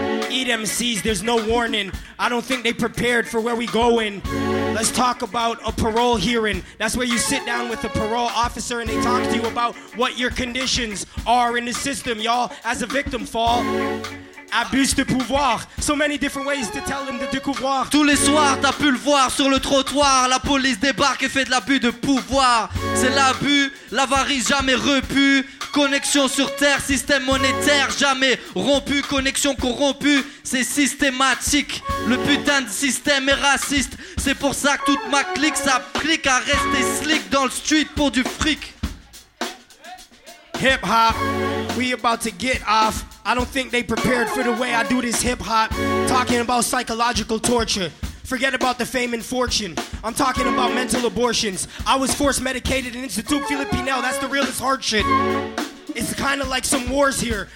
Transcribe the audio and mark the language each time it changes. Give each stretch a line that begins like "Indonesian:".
English: Eat MCs, there's no warning. I don't think they prepared for where we going. Let's talk about a parole hearing. That's where you sit down with a parole officer and they talk to you about what your conditions are in the system, y'all, as a victim fall.
French: Abus de pouvoir.
English: So many different ways to tell them to découvrir.
French: Tous les soirs, t'as pu le voir sur le trottoir. La police débarque et fait de l'abus de pouvoir. C'est l'abus, l'avarice jamais repue. Connexion sur terre, système monétaire jamais rompu. Connexion corrompue, c'est systématique. Le putain de système est raciste. C'est pour ça que toute ma clique s'applique à rester slick dans le street pour du fric.
English: Hip hop, we about to get off. I don't think they prepared for the way I do this hip hop. Talking about psychological torture. Forget about the fame and fortune. I'm talking about mental abortions. I was forced medicated in Institute Filipinel. That's the realest hard shit. It's kind of like some wars here.